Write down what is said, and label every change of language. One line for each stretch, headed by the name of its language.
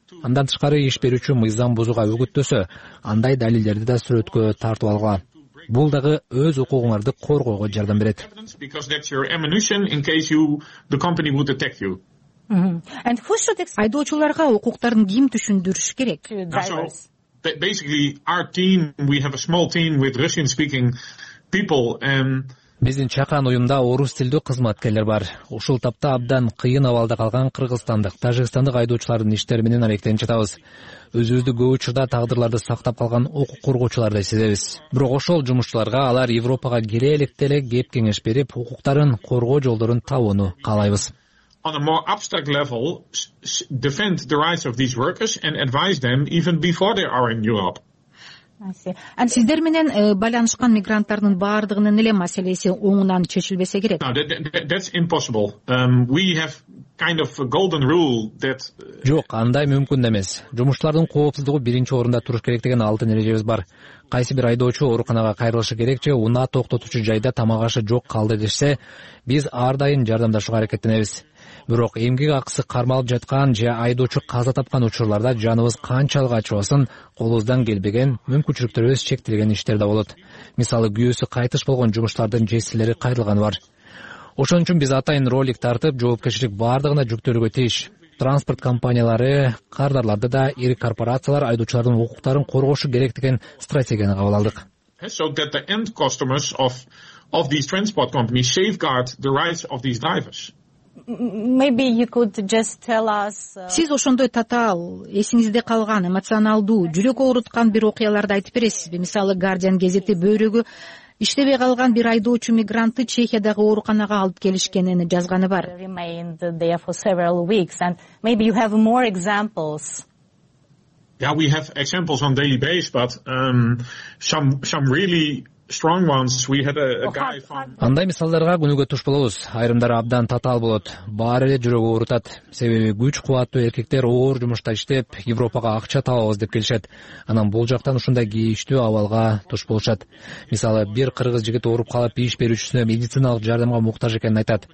Kyrgyz: Андан тышкары иш берүүчү мыйзам бузууга үгүттөсө, андай далилдерди да сүрөткө тартып алгыла. Бул дагы өз укугуңарды коргоого жардам берет. Айдоочуларга укуктарын ким түшүндүрүш керек?
English: Basically our team, we have a small team with Russian speaking people and
Kyrgyz: биздин чакан уюмда орус тилдүү кызматкерлер бар. Ушул тапта абдан кыйын абалда калган кыргызстандык, тажикстандык айдоочулардын иштери менен алектенип жатабыз. Өзүбүздү көп учурда тагдырларды сактап калган укук коргоочулардай сезебиз. Бирок ошол жумушчуларга алар Европага келе электе эле кеп кеңеш берип, укуктарын коргоо жолдорун табууну каалайбыз.
English: On a more abstract level, defend the rights of these workers and advise them even before they are in Europe.
Kyrgyz: Сиздер менен байланышкан мигранттардын баардыгынын эле маселеси оңунан чечилбесе керек?
English: That's impossible. We have kind of a golden rule that...
Kyrgyz: Жок, андай мүмкүн эмес. Жумушчулардын коопсуздугу биринчи орунда туруш керек деген алтын эрежебиз бар. Кайсы бир айдоочу ооруканага кайрылышы керек же унаа токтотуучу жайда тамак ашы жок калды дешсе, биз ар дайым жардамдашууга аракеттенебиз. Бирок эмгек акысы кармалып жаткан же айдоочу каза тапкан учурларда жаныбыз канчалык ачыбасын, колубуздан келбеген мүмкүнчүлүктөрүбүз чектелген иштер да болот. Мисалы, күйөөсү кайтыш болгон жумушчулардын жесилери кайрылганы бар. Ошон үчүн биз атайын ролик тартып, жоопкерчилик баардыгына жүктөлүүгө тийиш. транспорт компаниялары, кардарларды да, ири корпорациялар айдоочулардын укуктарын коргошу керек деген стратегияны кабыл алдык.
English: So that the end customers of these transport companies safeguard the rights of these drivers. Maybe you could just tell us.
Kyrgyz: Сиз ошондой татаал, эсиңизде калган, эмоционалдуу, жүрөк ооруткан бир окуяларды айтып бересизби? Мисалы, Guardian гезети бөйрөгү иштебей калган бир айдоочу мигрантты Чехиядагы ооруканага алып келишкенин жазганы бар.
English: Remained there for several weeks, and maybe you have more examples. Yeah, we have examples on daily basis, but some really strong ones. We had a guy from.
Kyrgyz: Андай мисалдарга күнүгө туш болобуз. Айрымдары абдан татаал болот. Баары эле жүрөгү оорутат. Себеби күч кубаттуу эркектер оор жумушта иштеп, Европага акча табабыз деп келишет. Анан бул жактан ушундай кийиштүү абалга туш болушат. Мисалы, бир кыргыз жигит ооруп калып, иш берүүчүсүнө медициналык жардамга муктаж экенин айтат.